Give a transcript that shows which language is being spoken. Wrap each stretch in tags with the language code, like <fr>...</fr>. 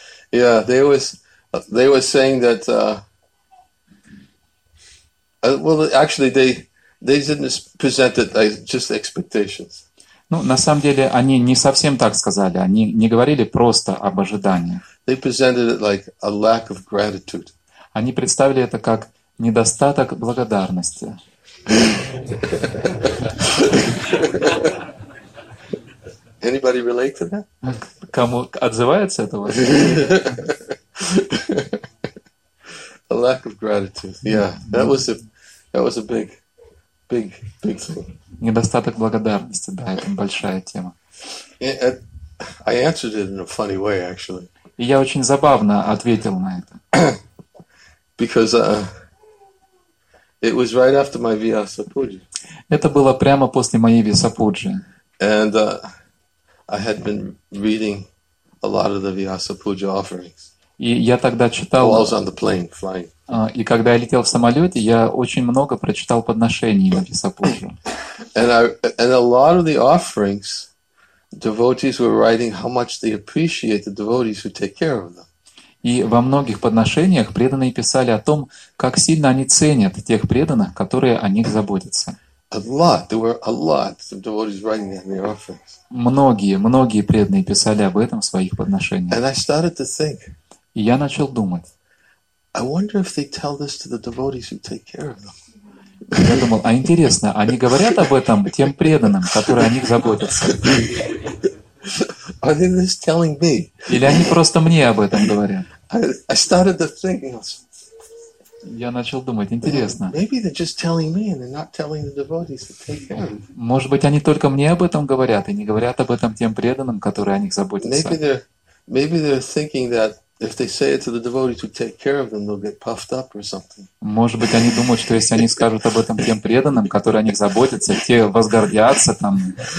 <en>Yeah, they were saying that well, actually they didn't present it as just expectations.</en> <ru>Ну, на самом деле, они не совсем так сказали. Они не говорили просто об ожиданиях.</ru> <en>They presented it like a lack of gratitude.</en> <ru>Они представили это как недостаток благодарности.</ru> <en>Anybody relate to that?</en> <ru>Кому отзывается это у вас?</ru> <en>A lack of gratitude. Yeah, that was a big thing.</en> <ru>Недостаток благодарности, да, это большая тема.</ru> <en>I answered it in a funny way, actually.</en> <ru>И я очень забавно ответил на это.</ru> <en>Because it was right after my Vyasa Puja.</en> <ru>Это было прямо после моей Vyasa Puja.</ru> <en>And I had been reading a lot of the Vyasa Puja offerings.</en> <ru>И я тогда читал.</ru> <en>While I was on the plane flying.</en> <ru>И когда я летел в самолете, я очень много прочитал подношений на Vyasa Puja.</ru> <en>And a lot of the offerings Devotees were writing how much they appreciate the devotees who take care of them.</en> <ru>И во многих подношениях преданные писали о том, как сильно они ценят тех преданных, которые о них заботятся.</ru> <en>A lot. There were a lot of devotees writing in their offerings.</en> <ru>Многие преданные писали об этом в своих подношениях.</ru> <en>And I started to think.</en> <ru>И я начал думать.</ru> <en>I wonder if they tell this to the devotees who take care of them.</en> <ru>Я думал, а интересно, они говорят об этом тем преданным, которые о них заботятся?</ru> <en>Are they just telling me?</en> <ru>Или они просто мне об этом говорят?</ru> <en>I started to think.</en> <ru>Я начал думать, интересно.</ru> <en>Maybe they're just telling me and they're not telling the devotees to take care of them.</en> <ru>Может быть, они только мне об этом говорят и не говорят об этом тем преданным, которые о них заботятся?</ru> <en>Maybe they're thinking that if they say it to the devotees to take care of them, they'll get puffed up or something.</en> <ru>Может быть, они думают, что если они скажут об этом тем преданным, которые о них заботятся, те возгордятся там.</ru>